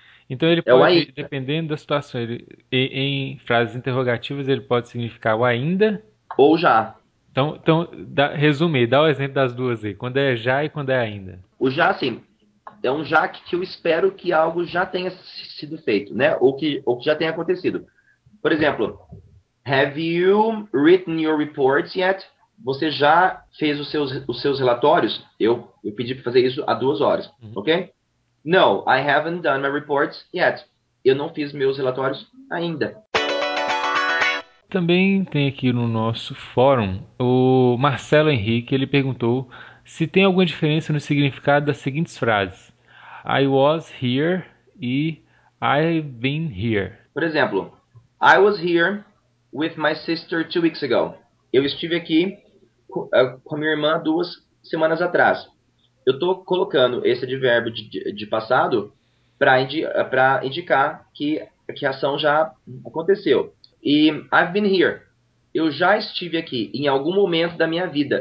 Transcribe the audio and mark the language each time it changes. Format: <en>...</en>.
<pt>Então, ele pode, dependendo da situação, em frases interrogativas, ele pode significar o ainda. Ou já. Então resumir, dá o exemplo das duas aí. Quando é já e quando é ainda. O já, sim. É um já que eu espero que algo já tenha sido feito, né? Ou que já tenha acontecido. Por exemplo,</pt> <en>have you written your reports yet?</en> <pt>Você já fez os seus relatórios? Eu pedi para fazer isso há 2 horas, ok?</pt> <en>No, I haven't done my reports yet.</en> <pt>Eu não fiz meus relatórios ainda. Também tem aqui no nosso fórum o Marcelo Henrique, ele perguntou se tem alguma diferença no significado das seguintes frases.</pt> <en>I was here e I've been here.</en> <pt>Por exemplo,</pt> <en>I was here with my sister 2 weeks ago.</en> <pt>Eu estive aqui com a minha irmã 2 semanas atrás. Eu estou colocando esse advérbio de passado para indicar que a ação já aconteceu. E</pt> <en>I've been here.</en> <pt>Eu já estive aqui em algum momento da minha vida.</pt>